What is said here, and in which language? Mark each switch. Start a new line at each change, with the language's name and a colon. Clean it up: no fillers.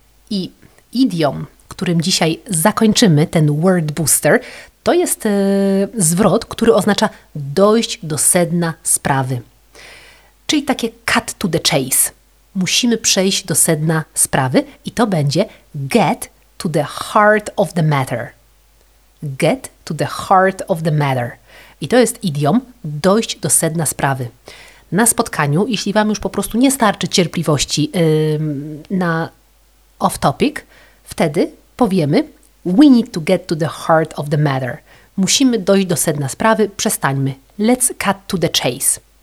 Polish: I idiom, którym dzisiaj zakończymy ten word booster, to jest zwrot, który oznacza dojść do sedna sprawy. Czyli takie
English: cut to the chase.
Polish: Musimy przejść do sedna sprawy i to będzie
English: get to the heart of the matter. Get to the heart of the matter.
Polish: I to jest idiom dojść do sedna sprawy. Na spotkaniu, jeśli Wam już po prostu nie starczy cierpliwości na off-topic, wtedy powiemy
English: we need to get to the heart of the matter.
Polish: Musimy dojść do sedna sprawy, przestańmy.
English: Let's cut to the chase.